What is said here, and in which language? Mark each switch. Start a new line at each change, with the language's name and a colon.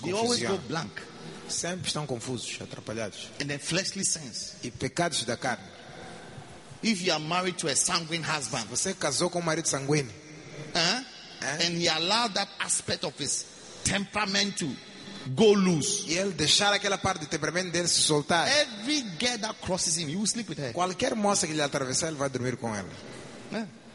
English: confusia. They always go blank.
Portuguese: Sempre estão confusos, atrapalhados.
English: And then fleshly sins.
Portuguese: E pecados da carne.
English: If you are married to a sanguine husband,
Portuguese: você casou com um marido sanguíneo,
English: and he allowed that aspect of his temperament to go loose.
Portuguese: E ele deixar aquela parte do temperamento dele se soltar.
English: Every girl that crosses him, you will sleep with her.
Portuguese: Qualquer moça que lhe atravessar, ele vai dormir com ela.